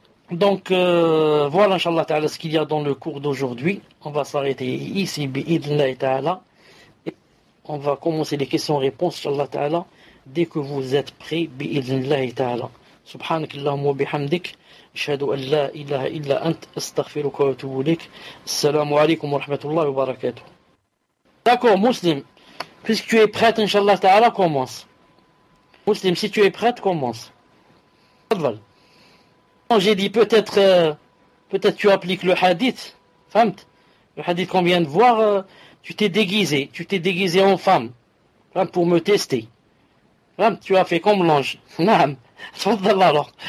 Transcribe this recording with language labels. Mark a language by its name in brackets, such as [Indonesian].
[French] Donc voilà, inshallah ta'ala, ce qu'il y a dans le cours d'aujourd'hui. On va s'arrêter ici, bi'idhnillah ta'ala. On va commencer les questions-réponses, inshallah ta'ala, dès que vous êtes prêts, bi'idhnillah ta'ala. [Arabic] سبحانك اللهم وبحمدك أشهد أن لا إله إلا أنت أستغفرك وأتوب إليك السلام عليكم ورحمة الله وبركاته [French] D'accord, مسلم puisque tu es prête, inshallah ta'ala, commence. مسلم, si tu es prête, commence. [Arabic] تفضل. [French] J'ai dit peut-être peut-être tu appliques le hadith, [Arabic] فهمت? [French] Le hadith qu'on vient de voir, tu t'es déguisé en femme, [Arabic] فهمت? [French] Pour me tester. [Arabic] فهمت? [French] Tu as fait comme l'ange. [Arabic] نعم. تفضل الله